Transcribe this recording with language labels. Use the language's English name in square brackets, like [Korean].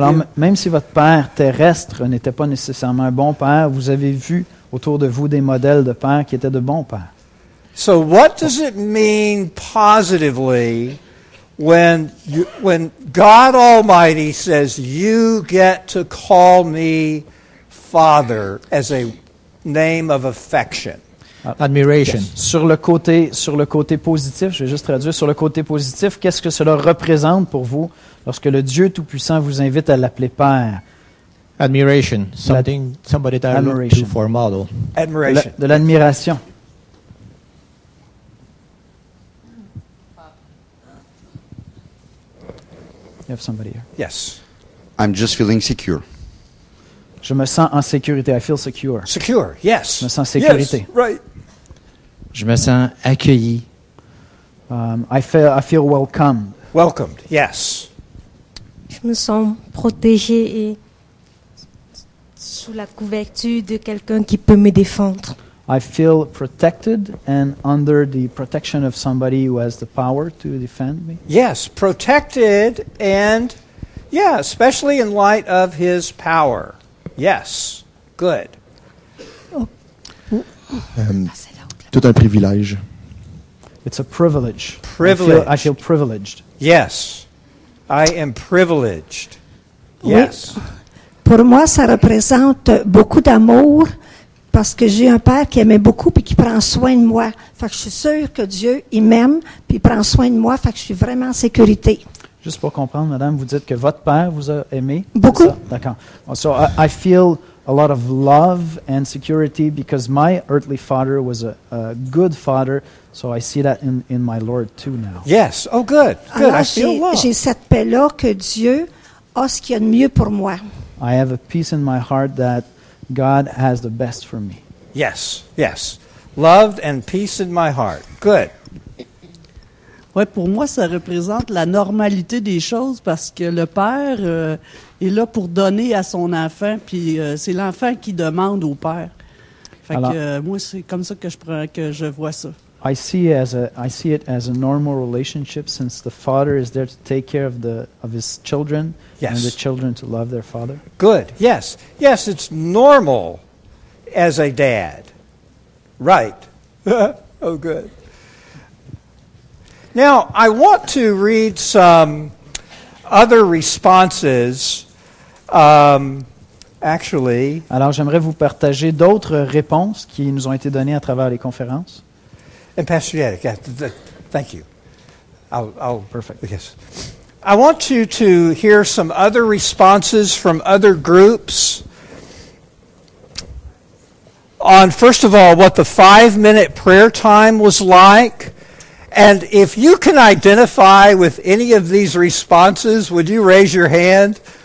[French] Alors, [English] you? [French] Même si votre père terrestre n'était pas nécessairement un bon père, vous avez vu autour de vous des modèles de pères qui étaient de bons pères. [English] So what does it mean positively when God Almighty says you get to call me father as a name of affection? Admiration. Yes. [French] Sur le côté positif, je vais juste traduire, sur le côté positif, qu'est-ce que cela représente pour vous lorsque le Dieu Tout-Puissant vous invite à l'appeler Père? [English] Admiration. Something, somebody that I look to for a model. Admiration. [French] De l'admiration. [English] You have somebody here. Yes. I'm just feeling secure. [French] Je me sens en sécurité. [English] I feel secure. Secure, yes. [French] Je me sens en sécurité. [English] Yes, right. [French] Je me sens accueilli. [English] I feel welcomed. Welcomed, yes. [French] Je me sens protégé et sous la couverture de quelqu'un qui peut me défendre. [English] I feel protected and under the protection of somebody who has the power to defend me. Yes, protected and, yeah, especially in light of his power. Yes, good. [French] Tout un privilège. [English] It's a privilege. Privilege. I feel privileged. Yes, I am privileged. Yes. [French] Oui. Pour moi, ça représente beaucoup d'amour. Parce que j'ai un père qui aimait beaucoup et qui prend soin de moi. Fait que je suis sûre que Dieu, il m'aime puis il prend soin de moi. Fait que je suis vraiment en sécurité. Juste pour comprendre, madame, vous dites que votre père vous a aimé? Beaucoup. D'accord. [English] So I feel a lot of love and security because my earthly father was a good father. So I see that in my Lord too now. Yes. Oh, good. Good. Alors, I feel love. [French] J'ai cette paix-là que Dieu a ce qu'il y a de mieux pour moi. [English] I have a peace in my heart that God has the best for me. Yes, yes. Loved and peace in my heart. Good. [French] Ouais, pour moi, ça représente la normalité des choses parce que le père est là pour donner à son enfant, puis c'est l'enfant qui demande au père. Fait alors, que moi, c'est comme ça que je vois ça. [English] I see it as a normal relationship since the father is there to take care of his children, yes, and the children to love their father. Good. Yes. Yes, it's normal as a dad. Right. Oh, good. Now, I want to read some other responses. Actually, [French] alors j'aimerais vous partager d'autres réponses qui nous ont été données à travers les conférences. [English] And Pastor Yannick, yeah, thank you. I'll perfect. Yes, I want you to hear some other responses from other groups on, first of all, what the 5-minute prayer time was like, and if you can identify with any of these responses, would you raise your hand?